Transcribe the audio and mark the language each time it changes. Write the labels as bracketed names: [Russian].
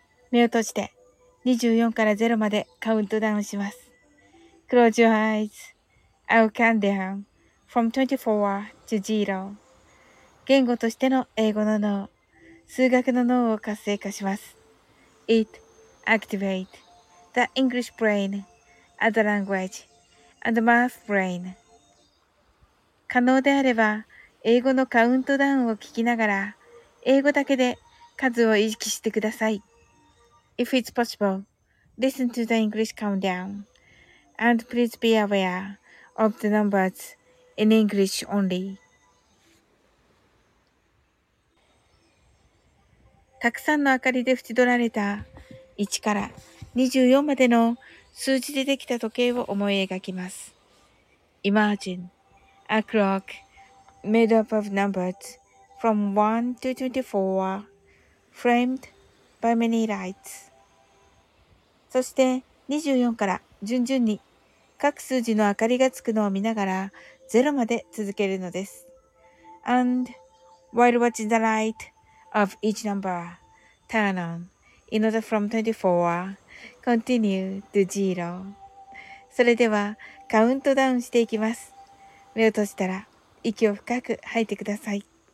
[Japanese] 目を閉じて24から0までカウントダウンします。 [English] Close your eyes. I'll count down from 24 to 0. [Japanese] 言語としての英語の脳、数学の脳を活性化します。 [English] It activates. The English brain as the language and math brain. [Japanese] 可能であれば、英語のカウントダウンを聞きながら、英語だけで数を意識してください。 [English] If it's possible, listen to the English countdown. And please be aware of the numbers in English only. [Japanese] たくさんの明かりで縁取られた1から24までの数字でできた時計を思い描きます。 [English] Imagine a clock made up of numbers from 1 to 24 framed by many lights. [Japanese] そして24から順々に各数字の明かりがつくのを見ながら0まで続けるのです。 [English] And while watching the light of each number turn on in order from 24,Continue to zero. [Japanese] それではカウントダウンしていきます。目を閉じたら息を深く吐いてください。